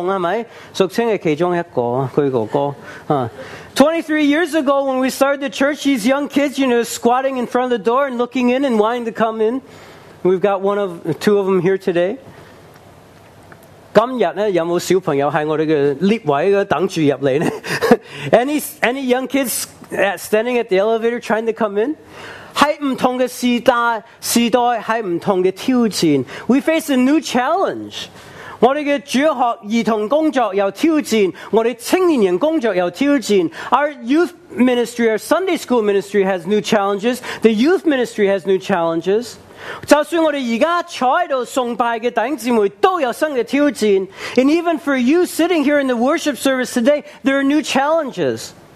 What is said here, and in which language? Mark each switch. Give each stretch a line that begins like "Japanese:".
Cantonese: 我们23年前开教会，有很多小朋友在街，在门口那里望着玻璃就想进来搞活动，是不是？俗称是其中一个，他哥哥。
English: 23 years ago when we started the church, these young kids, you know, squatting in front of the door and looking in and wanting to come in. We've got two of them here today.
Cantonese: 今天呢,有没有小朋友在我们的列位等着进来呢?
English: any young kids standing at the elevator trying to come in?
Cantonese: 是不同的时代，时代是不同的挑战。
English: We face a new challenge.
Cantonese: 我们的主学儿童工作有挑战，我们青年人工作有挑战。
English: Our youth ministry, our Sunday school ministry has new challenges. The youth ministry has new challenges.
Cantonese: 就算我们现在坐在这里崇拜的弟兄姊妹都有新的挑战。
English: And even for you sitting here in the worship service today, there are new challenges.